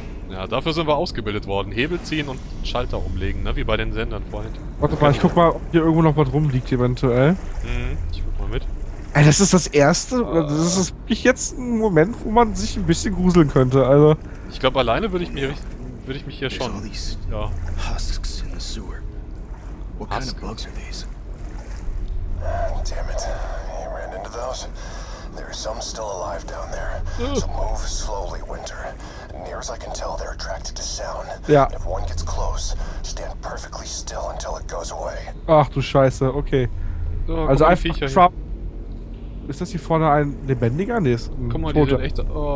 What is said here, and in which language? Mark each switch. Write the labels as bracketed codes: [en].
[de] Ja, dafür sind wir ausgebildet worden. Hebel ziehen und Schalter umlegen, ne? Wie bei den Sendern vorhin. Warte mal, ich guck mal, ob hier irgendwo noch was rumliegt eventuell. Ich guck mal mit. Ey, das ist das Erste, das ist wirklich jetzt ein Moment, wo man sich ein bisschen gruseln könnte, also... Ich glaube, alleine würde ich mich hier schon... [en] Ja. Husks in the sewer. What kind of bugs are these? Damn it. He ran into those. There are some still alive down there. So move slowly, Winter. Near as I can tell, they're attracted to sound. Ja. And if one gets close, stand perfectly still until it goes away. [de] Ach du Scheiße, okay. So, also einfach Trump. Ist das hier vorne ein lebendiger? Nee, ist ein Guck mal, Tote. Die sind echt...